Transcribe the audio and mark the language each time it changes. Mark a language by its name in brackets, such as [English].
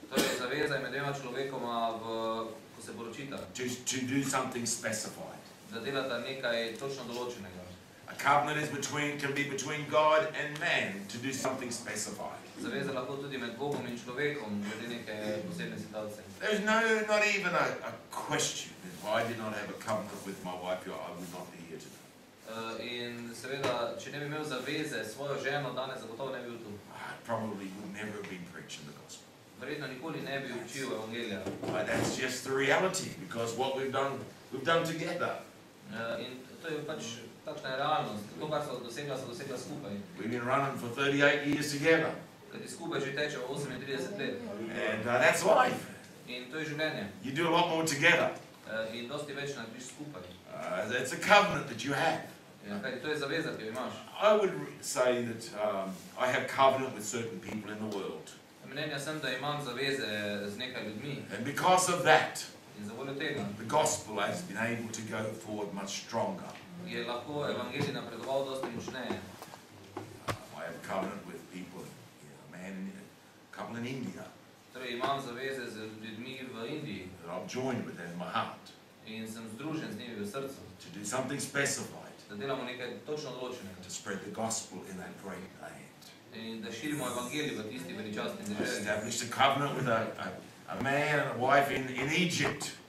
[Slovenian] Torej zaveza je med dvema človekoma ko se poročita. [English] To do something specified. [Slovenian] Da delata nekaj točno določenega. [English] A covenant is between can be between God and man to do something specified. [Slovenian] Zaveza lahko tudi med Bogom in človekom glede neke posebne situacije. [English] There's not even a question if I did not have a covenant with my wife, I would not be here today. [Slovenian] In seveda, če ne bi imel zaveze svojo ženo danes, zagotovo ne bi bil tu. [English] I probably would never have been preaching the gospel. [Slovenian] Verjetno nikoli ne bi učil evangelija. [English] But that's just the reality, because what we've done together. [Slovenian] In to je pač takšna realnost. To, kar so dosegla skupaj. [English] We've been running for 38 years together. [Slovenian] Kad je skupaj že teče 38 let. [English] And that's life. [Slovenian] In to je življenje. [English] You do a lot more together. [Slovenian] In dosti več narediš skupaj. [English] That's a covenant that you have. [Slovenian] Kaj, to je zaveza, ki jo imaš. [English] I would say that I have covenant with certain people in the world. [Slovenian] Mnenja sem, da imam zaveze z nekaj ljudmi. [English] And because of that, [Slovenian] in zavoljo tega, [English] the gospel has been able to go forward much stronger. [Slovenian] Je lahko evangelij napredoval dosti močneje. [English] I have covenant with people. A couple in India. [Slovenian] Torej imam zaveze z ljudmi v Indiji. [English] I'm joined with them in my heart. [Slovenian] In sem združen z njimi v srcu. [English] To do something specified. [Slovenian] Da delamo nekaj točno določenega. [English] To spread the gospel in that great land. [Slovenian] In da širimo evangelij v tisti veličastni državi. [English] I established a covenant with a man and a wife in Egypt.